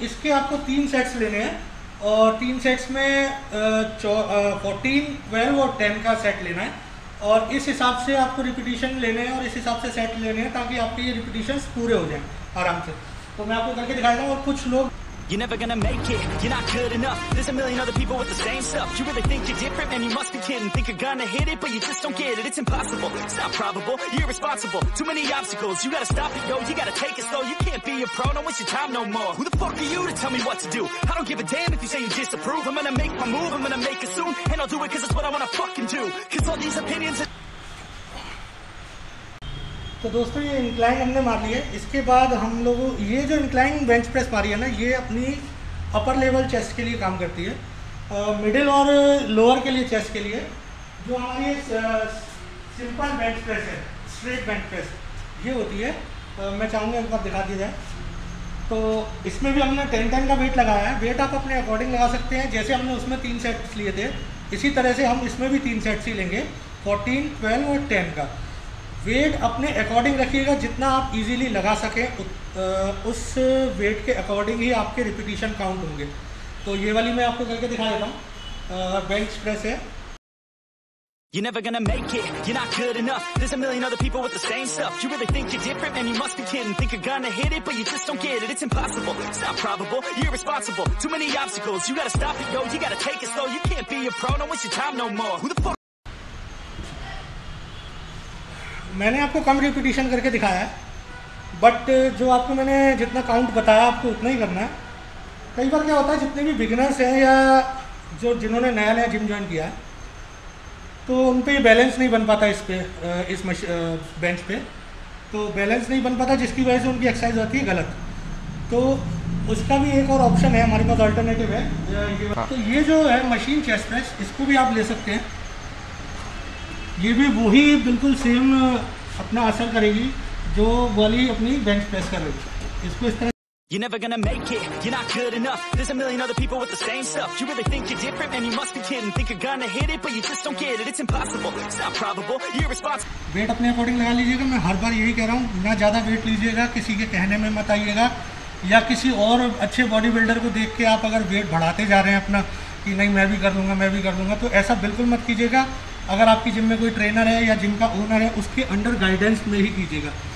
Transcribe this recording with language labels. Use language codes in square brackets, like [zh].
[hi] इसके आपको तीन सेट्स लेने हैं, और तीन सेट्स में 14, 12 और 10 का सेट लेना है, और इस हिसाब से आपको रिपीटिशन लेने हैं और इस हिसाब से सेट लेने हैं ताकि आपके ये रिपीटिशन पूरे हो जाएं आराम से। तो मैं आपको करके दिखाता हूँ। और कुछ लोग [en] You're never gonna make it, you're not good enough. There's a million other people with the same stuff. You really think you're different, man, you must be kidding. Think you're gonna hit it, but you just don't get it. It's impossible, it's not probable, you're irresponsible. Too many obstacles, you gotta stop it, yo. You gotta take it slow, you can't be a pro. No, it's your time no more. Who the fuck are you to tell me what to do? I don't give a damn if you say you disapprove. I'm gonna make my move, I'm gonna make it soon. And I'll do it cause it's what I wanna fucking do. Cause all these opinions are... [hi] तो दोस्तों, ये incline हमने मार ली है। इसके बाद हम लोग ये जो इंक्लाइन बेंच प्रेस मारी है ना, ये अपनी अपर लेवल चेस्ट के लिए काम करती है, मिडिल और लोअर के लिए चेस्ट के लिए। जो हमारी सिंपल बेंच प्रेस है, स्ट्रेट बेंच प्रेस ये होती है, मैं चाहूँगा एक बार दिखा दिया जाए। तो इसमें भी हमने 10-10 का वेट लगाया है। वेट आप अपने अकॉर्डिंग लगा सकते हैं, जैसे हमने उसमें तीन सेट्स लिए थे इसी तरह से हम इसमें भी तीन सेट्स ही लेंगे, 14, 12 और 10 का। वेट अपने अकॉर्डिंग रखिएगा, जितना आप इजीली लगा सकें उस वेट के अकॉर्डिंग ही आपके रिपीटेशन काउंट होंगे। तो ये वाली मैं आपको करके दिखा देता हूँ, बेंच प्रेस है। [en] You're never gonna make it, you're not good enough. There's a million other people with the same stuff. You really think you're different, man, you must be kidding. Think you're gonna hit it, but you just don't get it. It's impossible, it's not probable, you're irresponsible. Too many obstacles, you gotta stop it, yo. You gotta take it slow, you can't be a pro. No, it's your time no more. Who the fuck? [hi] मैंने आपको कम repetition करके दिखाया है, but जो आपको मैंने जितना count बताया आपको उतना ही करना है। कई बार क्या होता है, जितने भी बिगनर्स हैं या जो जिन्होंने नया नया जिम ज्वाइन किया है, तो उन पर बैलेंस नहीं बन पाता इस पर, इस बेंच पे तो बैलेंस नहीं बन पाता, जिसकी वजह से उनकी एक्सरसाइज होती है गलत। तो उसका भी एक और ऑप्शन है हमारे पास, अल्टरनेटिव है। तो ये जो है मशीन चेस्ट प्रेस, इसको भी आप ले सकते हैं। ये भी वही बिल्कुल सेम अपना असर करेगी जो वाली अपनी बेंच प्रेस कर रही है। इसको इस तरह [en] You're never gonna make it, you're not good enough. There's a million other people with the same stuff. You really think you're different, man, you must be kidding. Think you're gonna hit it, but you just don't get it. It's impossible, it's not probable, you're irresponsible. [hi] Wait अपने according लगा लीजिएगा, मैं हर बार यही कह रहा हूँ। ना ज़्यादा वेट लीजिएगा, किसी के कहने में मत आइएगा, या किसी और अच्छे बॉडी बिल्डर को देख के आप अगर वेट बढ़ाते जा रहे हैं अपना कि नहीं मैं भी कर लूँगा मैं भी कर लूँगा, तो ऐसा बिल्कुल मत कीजिएगा। अगर आपकी जिम में कोई ट्रेनर है या जिम का ओनर है, उसके अंडर गाइडेंस में ही कीजिएगा।